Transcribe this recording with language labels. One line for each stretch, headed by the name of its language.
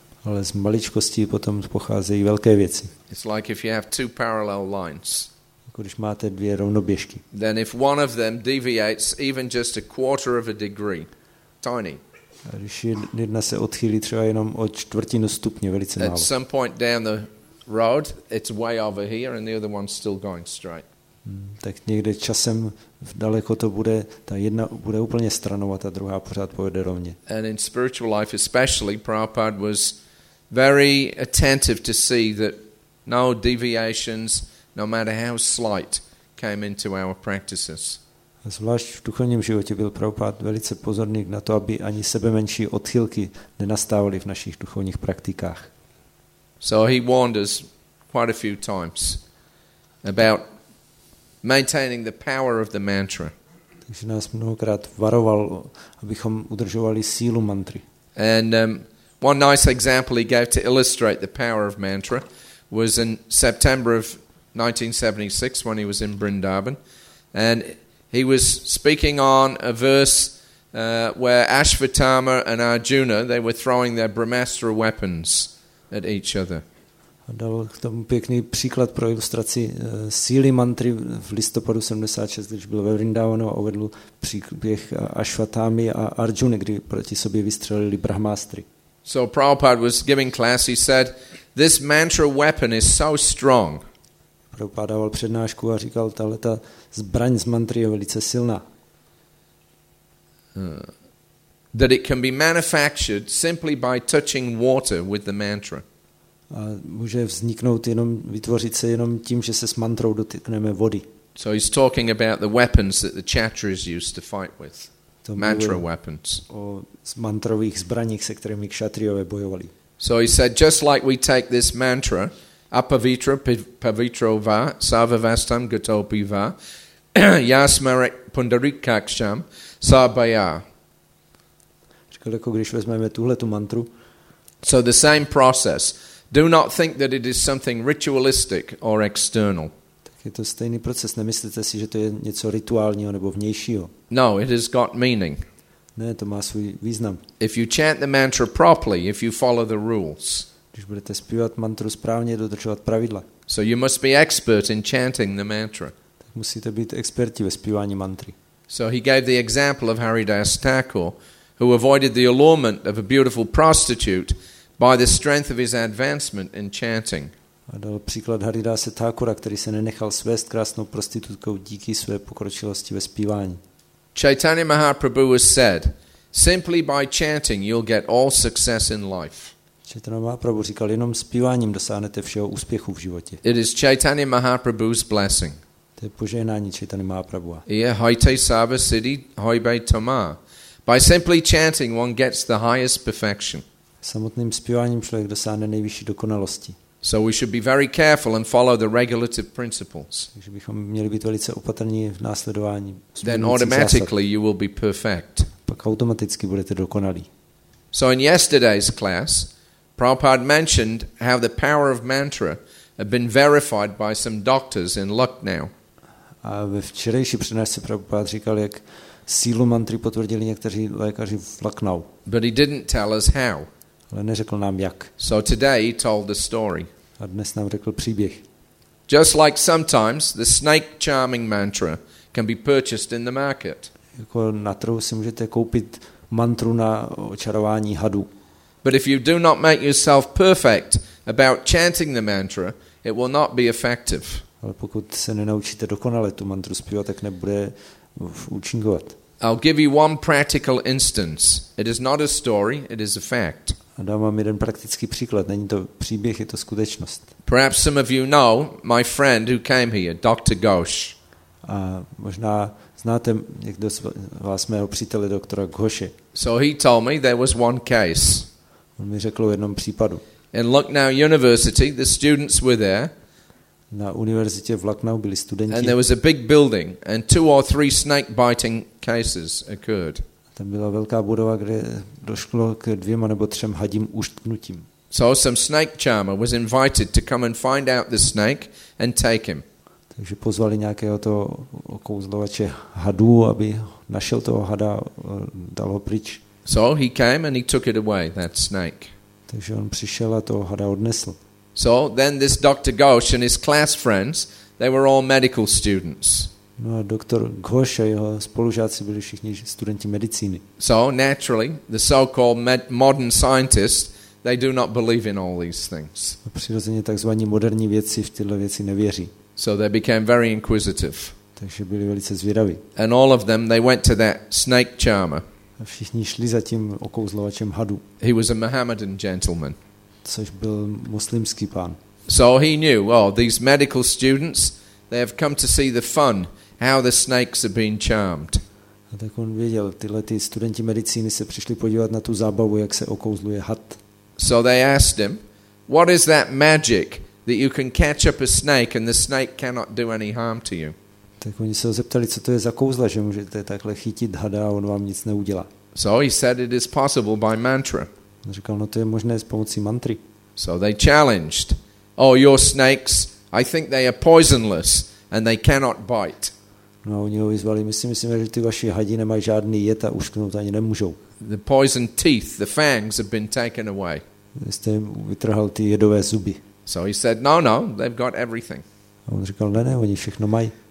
Czech: Ale z maličkosti potom pocházejí velké věci.
English: It's like if you have 2 parallel lines.
Czech: Jako když máte 2 rovnoběžky.
English: Then if one of them deviates even just a quarter of a degree. Tiny.
Czech: A když jedna se odchýlí třeba jenom o čtvrtinu stupně, velice málo.
English: At some point down the road, it's way over here, and the other one's still going straight.
Czech: Tak někde časem v daleko to bude, ta jedna bude úplně stranou a ta druhá pořád pojede rovně.
English: And in spiritual life especially, Prabhupada was very attentive to see that no deviations, no matter how slight, came into our practices.
Czech: A zvlášť v duchovním životě byl Prabhupada velice pozorný na to, aby ani sebemenší odchylky nenastávaly v našich duchovních praktikách.
English: So he warned us quite a few times about maintaining the power of the mantra.
Czech: Takže nás mnohokrát varoval, abychom udržovali sílu mantry.
English: And one nice example he gave to illustrate the power of mantra was in September of 1976 when he was in Vrindavan, and he was speaking on a verse where Ashwatthama and Arjuna, they were throwing their Brahmastra weapons at each other.
Czech: A dal k tomu pěkný příklad pro ilustraci síly mantry v listopadu 76, když byl ve Vrindavanu a uvedl příběh Ashwatthamy a Arjuny, kdy proti sobě vystřelili brahmástry.
English: So Prabhupada was giving class, he said, this mantra weapon is so strong.
Czech: Prabhupada dával přednášku a říkal, tahle ta zbraň z mantry je velice silná.
English: That it can be manufactured simply by touching water with the mantra.
Czech: A může vzniknout jenom, vytvořit se jenom tím, že se s mantrou dotykneme vody.
English: So he's talking about the weapons that the kshatriyas used to fight with. Mantra weapons.
Czech: O mantrových zbraních, se kterými kšatriové bojovali.
English: So he said, just like we take this mantra,
Sanskrit: apavitra, pavitro va, savavastam gatopi va, yasmarek pundarikaksham, sabaya.
Czech: Říkali, jako když vezmeme tuhletu mantru.
English: So the same process. Do not think that it is something ritualistic or external.
Czech: Tak je to stejný proces. Nemyslete si, že to je něco rituálního nebo vnějšího.
English: No, it has got meaning.
Czech: Ne, to má svůj význam.
English: If you chant the mantra properly, if you follow the rules.
Czech: Když budete zpívat mantru správně, dodržovat pravidla.
English: So you must be expert in chanting the mantra.
Czech: Tak musíte být experti ve zpívání mantry.
English: So he gave the example of Haridas Thakur, who avoided the allurement of a beautiful prostitute by the strength of his advancement in chanting.
Czech: A dal příklad Haridase Thakura, který se nenechal svést krásnou prostitutkou díky své pokročilosti ve zpívání.
English: Chaitanya Mahaprabhu has said, simply by chanting you'll get all success in life.
Czech: Chaitanya Mahaprabhu říkal, jenom zpíváním dosáhnete všeho úspěchu v životě.
English: It is Chaitanya Mahaprabhu's blessing.
Czech: To je požehnání Chaitanya Mahaprabhu.
Bangla: Ye haite sava siddhi hoibe tama.
English: By simply chanting one gets the highest perfection.
Czech: Samotným zpíváním člověk dosáhne nejvyšší dokonalosti.
English: So we should be very careful and follow the regulative principles.
Czech: Takže bychom měli být velice opatrní v následování.
English: Then automatically you will be perfect.
Czech: Pak automaticky budete dokonalí.
English: So in yesterday's class, Prabhupada mentioned how the power of mantra had been verified by some doctors in Lucknow.
Czech: A ve včerejší přednášce Prabhupada říkal, jak sílu mantry potvrdili někteří lékaři v Lucknow.
English: But he didn't tell us how.
Czech: Ale neřekl nám jak.
English: So today he told the story.
Czech: A dnes nám řekl příběh.
English: Just like sometimes the snake charming mantra can be purchased in the market.
Czech: Jako na trhu si můžete koupit mantru na očarování hadů.
English: But if you do not make yourself perfect about chanting the mantra, it will not be effective.
Czech: Ale pokud se nenaučíte dokonale tu mantru zpívat, tak nebude účinkovat.
English: I'll give you one practical instance. It is not a story, it is a fact.
Czech: A dám vám jeden praktický příklad. Není to příběh, je to skutečnost.
English: Perhaps some of you know my friend who came here, Dr. Ghosh.
Czech: A možná znáte někdo z vás mého přítele doktora Ghoshe.
English: So he told me there was one case.
Czech: On mi řekl o jednom případu.
English: In Lucknow University, the students were there.
Czech: Na univerzitě v Lucknow byli studenti.
English: And there was a big building and two or three snake biting cases occurred.
Czech: Tam byla velká budova, kde došlo k dvěma nebo třem hadím uštknutím.
English: So some snake charmer was invited to come and find out the snake and take him.
Czech: Takže pozvali nějakého toho okouzlovače hadů, aby našel toho hada, dal ho pryč.
English: So he came and he took it away, that snake.
Czech: Takže on přišel a toho hada odnesl.
English: So then this Dr. Ghosh and his class friends, they were all medical students.
Czech: No a doktor Ghosh a jeho spolužáci byli všichni studenti medicíny.
English: So naturally, the so-called modern scientists, They do not believe in all these things.
Czech: A přirozeně takzvaní moderní věci v tyhle věci nevěří.
English: So they became very inquisitive.
Czech: Takže byli velice zvědaví.
English: And all of them, they went to that snake charmer.
Czech: A všichni šli za tím okouzlovačem hadu.
English: He was a Mohammedan gentleman.
Czech: Což byl muslimský pán.
English: So he knew, oh, these medical students, they have come to see the fun, how the snakes have been charmed.
Czech: A tak on věděl, tyhle ty studenti medicíny se přišli podívat na tu zábavu, jak se okouzluje had.
English: So they asked him, what is that magic that you can catch up a snake and the snake cannot do any harm to you?
Czech: Tak oni se ho zeptali, co to je za kouzla, že můžete takhle chytit hada a on vám nic neudělá.
English: So he said it is possible by mantra.
Czech: On říkal, no to je možné s pomocí mantry.
English: So they challenged, oh, your snakes, I think they are poisonless and they cannot bite.
Czech: No a oni ho vyzvali, myslím, že ty vaši hadi nemají žádný jed a ušknout ani nemůžou.
English: The poison teeth, the fangs have been taken away.
Czech: Jste jim vytrhal ty jedové zuby.
English: So he said, no, no, they've got everything.
Czech: A on říkal, ne, oni všechno mají.